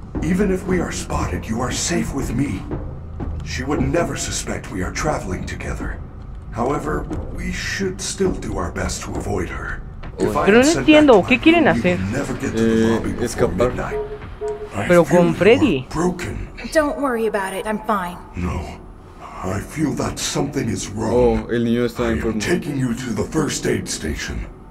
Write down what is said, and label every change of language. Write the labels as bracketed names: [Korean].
[English] Even if we are spotted, you are safe with me. She would never suspect we are traveling together. However, we should still do our best to avoid her. [Spanish] Pero no entiendo, ¿qué quieren hacer? Escapar. Pero con Freddy. [English] Don't worry about it. I'm fine. [Spanish] No. [English] I feel that something is wrong. [Spanish] Oh, el niño está enfermo. [English] I'm taking you to the first aid station.